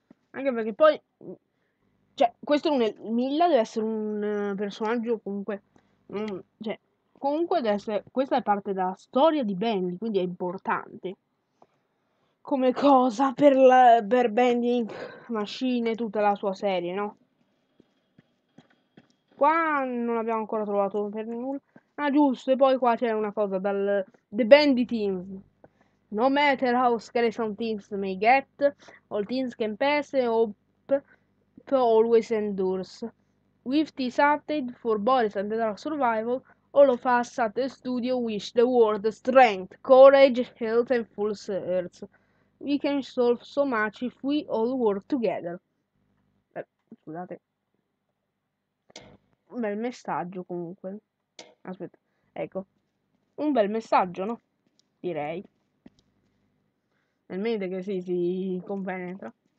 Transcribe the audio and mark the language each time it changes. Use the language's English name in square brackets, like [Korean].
[Italian] Anche perché poi, cioè, questo non è, Milla deve essere un personaggio comunque, cioè, comunque deve essere, questa è parte della storia di Bendy, quindi è importante. Come cosa per Bending Machine e tutta la sua serie, no? Qua non abbiamo ancora trovato per nulla. Ah, giusto, e poi qua c'è una cosa dal The Bendy Team. [English] No matter how skeleton things may get, all things can pass and hope always endures. With this update for Boris and the Dark Survival, all of us at the studio wish the world strength, courage, health and full search. We can solve so much if we all work together. [Italian] Scusate. Un bel messaggio comunque. Aspetta, ecco. Un bel messaggio, no? Direi. Nel mente che si compenetra.